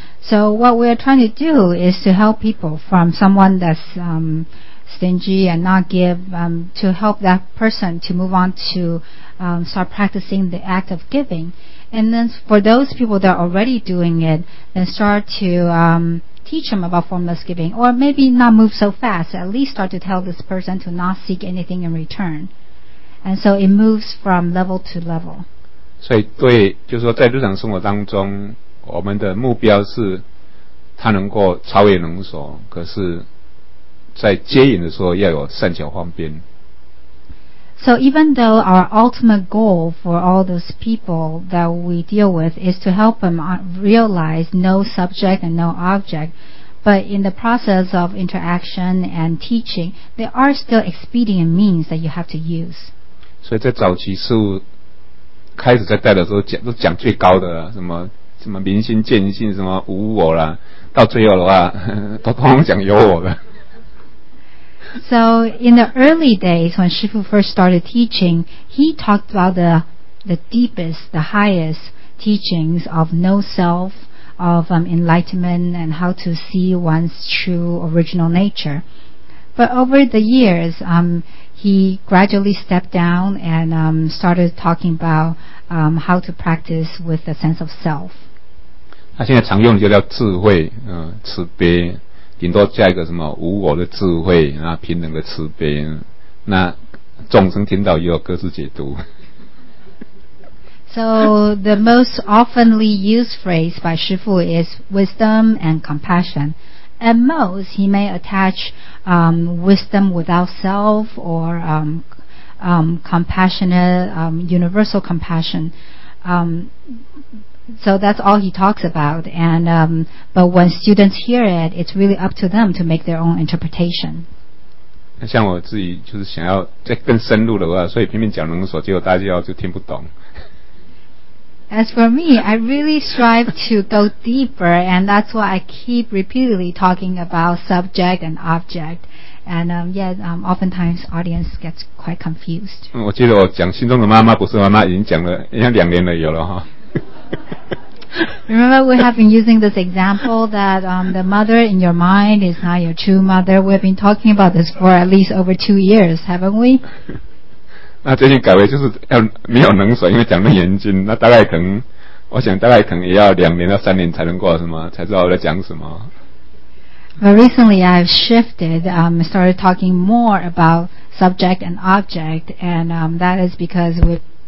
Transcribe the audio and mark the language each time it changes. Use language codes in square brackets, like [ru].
[en] So what we are trying to do is to help people from someone that's stingy and not give, to help that person to move on to start practicing the act of giving. And then for those people that are already doing it, then start to teach them about formless giving, or maybe not move so fast, at least start to tell this person to not seek anything in return. And so it moves from level to level. [zh] 所以对，就是说在日常生活当中，我们的目标是他能够超越能所，可是在接引的时候要有善巧方便。 [en] So even though our ultimate goal for all those people that we deal with is to help them realize no subject and no object, but in the process of interaction and teaching, there are still expedient means that you have to use. [zh] 所以在早期事物开始在带的时候讲都讲最高的了，什么明心见性，什么无我啦，到最后的话都通讲有我的。 [en] So in the early days when Shifu first started teaching, he talked about the deepest, the highest teachings of no self, of enlightenment, and how to see one's true original nature. But over the years, he gradually stepped down and started talking about how to practice with a sense of self. [zh] 他现在常用的就叫智慧，慈悲。顶多加一个什么无我的智慧，然后平等的慈悲，那众生听到以后各自解读。 [en] So the most oftenly used phrase by Shifu is wisdom and compassion. At most, he may attach wisdom without self or compassionate universal compassion. So that's all he talks about, and but when students hear it, it's really up to them to make their own interpretation. [zh] 像我自己就是想要再更深入的话，所以拼命讲能所，结果大家就听不懂。 [en] As for me, I really strive to go deeper, and that's why I keep repeatedly talking about subject and object, and oftentimes audience gets quite confused. [zh] 我记得我讲心中的妈妈不是妈妈，已经讲了应该两年了有了哈。 [en] Remember, we have been using this example that the mother in your mind is not your true mother. We've been talking about this for at least over 2 years, haven't we? [zh] 那最近改为就是要没有能所，因为讲的严谨，那大概可能，我想大概可能也要两年到三年才能过什么，才知道我在讲什么。 [en] But recently, I've shifted, started talking more about subject and object, and that is because we've.